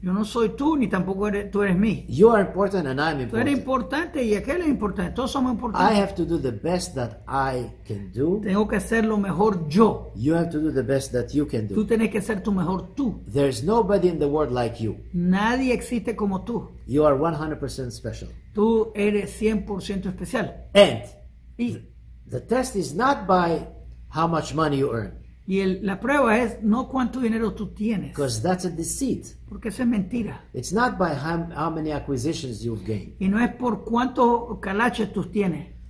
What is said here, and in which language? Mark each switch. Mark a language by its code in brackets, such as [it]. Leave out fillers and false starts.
[es] Yo no soy tú ni tampoco eres, tú eres mí. [en] You are important and I am important. [es] Tú eres importante y aquel es importante. Todos somos importantes. [en] I have to do the best that I can do. [es] Tengo que hacer lo mejor yo. [en] You have to do the best that you can do. [es] Tú tienes que ser tu mejor tú. [en] There is nobody in the world like you. [es] Nadie existe como tú. [en] You are 100% special. [es] Tú eres 100% especial. [en] And the test is not by how much money you earn. [es] Y la prueba es no cuánto dinero tú tienes. [en] Because that's a deceit. [es] Porque eso es mentira. [en] It's not by how many acquisitions you've gained. [es] Y no es por cuántos calaches tú tienes.